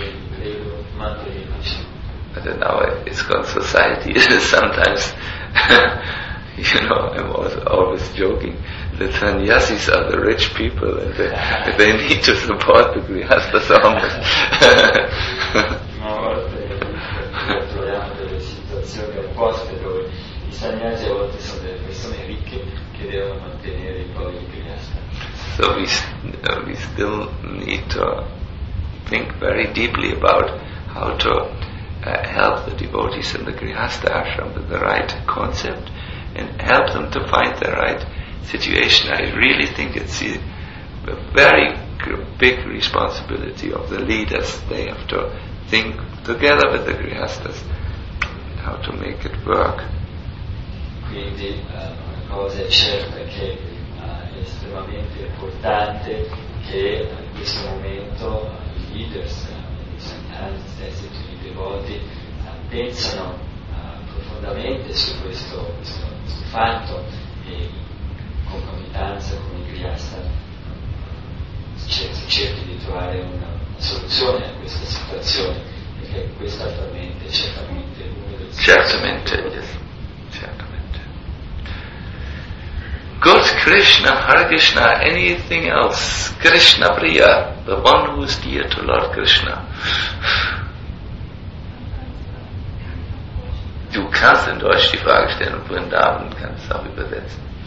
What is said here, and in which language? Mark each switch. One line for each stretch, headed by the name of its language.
English: But in our ISKCON society, sometimes, you know, I'm always joking, the sannyasis are the rich people and they need to support the Grihastha almost.
Italian: Una volta troviamo delle situazioni opposte dove i sannyasi a volte sono delle persone ricche che devono mantenere i poveri Grihastha.
English: So we still need to think very deeply about how to help the devotees in the Grihastha ashram with the right concept and help them to find the right situation. I really think it's a very big responsibility of the leaders. They have to think together with the Grihasthas how to make it work.
Italian: Quindi una cosa è certa che è estremamente importante che in questo momento i leaders, i sannyasi stessi, tutti i devoti pensano profondamente su questo, sul fatto e concomitanza con i Grihastha si cerchi di trovare una soluzione a questa situazione, perché questa attualmente è certamente una delle situazioni. Certamente, yes. Certamente.
English: Good Krishna, Hare Krishna, anything else? Krishna Priya, the one who is dear to Lord Krishna.
German: Du kannst in Deutsch die Frage stellen und vorhin da und kannst es auch übersetzen.